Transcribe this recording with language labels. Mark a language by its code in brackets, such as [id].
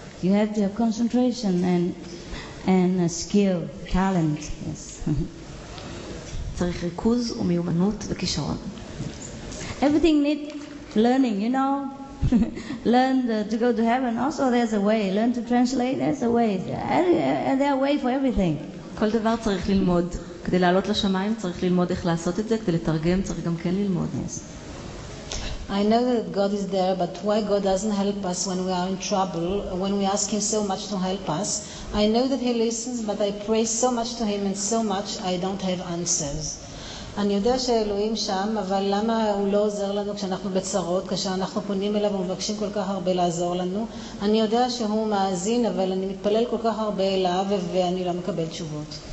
[en] You have to have concentration and a skill, talent, yes. [he] צריך ריכוז ומיומנות וכישרון. [en] Everything needs learning, you know. Learn to go to heaven, also there's a way. Learn to translate, there's a way. There's a way for everything. [he] כל דבר צריך ללמוד. כדי לעלות לשמיים צריך ללמוד איך לעשות את זה, כדי לתרגם צריך גם כן ללמוד. [en] Yes. I know that God is there, but why God doesn't help us when we are in trouble, when we ask Him so much to help us? I know that He listens, but I pray so much to Him and so much I don't have answers. [he] אני יודע שאלוהים שם, אבל למה הוא לא עוזר לנו כשאנחנו בצרות, כשאנחנו פונים אליו ומבקשים כל כך הרבה לעזור לנו? אני יודע שהוא מאזין, אבל אני מתפלל כל כך הרבה אליו ואני לא מקבל תשובות.